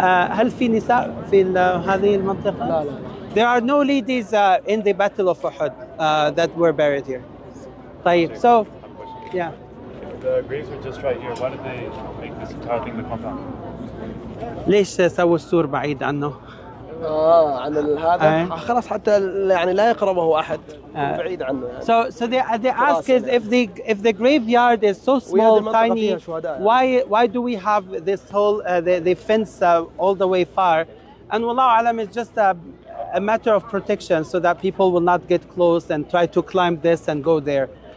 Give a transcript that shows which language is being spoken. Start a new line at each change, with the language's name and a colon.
Arabic: هل في نساء في هذه المنطقة؟ لا لا.
English: There are no ladies in the Battle of Uhud that were buried here.
Arabic: طيب.
English: So, yeah. If the graves were just right here, why did they make this entire thing the compound?
Arabic: ليش سووا السور بعيد عنه؟ عن هذا خلاص حتى يعني لا يقربه أحد بعيد عنه.
English: So they ask is if the graveyard is so small, tiny, why do we have this whole the fence all the way far? And wallahu alam is just a matter of protection so that people will not get close and try to climb this and go there.